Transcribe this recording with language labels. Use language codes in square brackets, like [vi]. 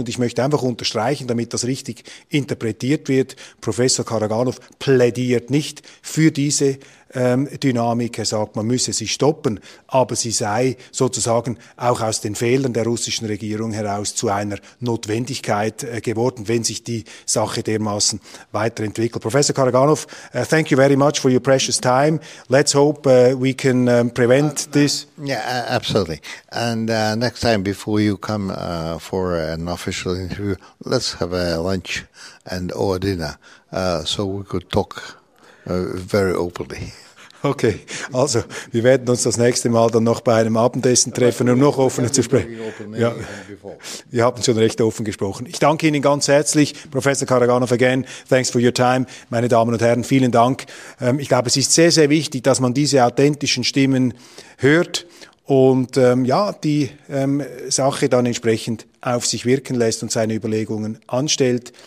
[de] Und ich möchte einfach unterstreichen, damit das richtig interpretiert wird, Professor Karaganov plädiert nicht für diese Dynamik. Er sagt, man müsse sie stoppen, aber sie sei sozusagen auch aus den Fehlern der russischen Regierung heraus zu einer Notwendigkeit geworden, wenn sich die Sache dermaßen weiterentwickelt. [en] Professor Karaganov, thank you very much for your precious time. Let's hope we can prevent this. Yeah, absolutely. And next time before you come for an official interview, let's have a lunch and or dinner so we could talk very openly. [de] Okay, also wir werden uns das nächste Mal dann noch bei einem Abendessen treffen, um noch offener zu sprechen. Ja, wir haben schon recht offen gesprochen. Ich danke Ihnen ganz herzlich, Professor Karaganov, [en] again. Thanks for your time. [de] Meine Damen und Herren, vielen Dank. Ich glaube, es ist sehr, sehr wichtig, dass man diese authentischen Stimmen hört und die Sache dann entsprechend auf sich wirken lässt und seine Überlegungen anstellt.